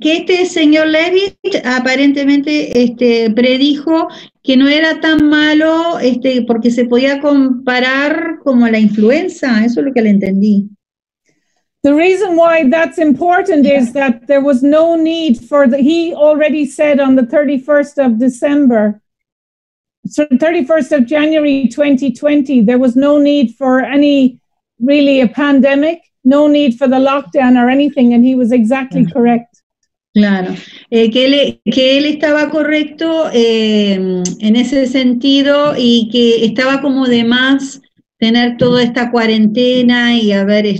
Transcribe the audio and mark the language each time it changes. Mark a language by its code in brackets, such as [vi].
[es] Que este señor Levitt aparentemente predijo que no era tan malo porque se podía comparar como la influenza, eso es lo que le entendí. [en] The reason why that's important is that there was no need for he already said on the 31st of December, so 31st of January 2020, there was no need for any really a pandemic, no need for the lockdown or anything, and he was exactly correct. [es] Claro, que él estaba correcto en ese sentido y que estaba como de más tener toda esta cuarentena y haber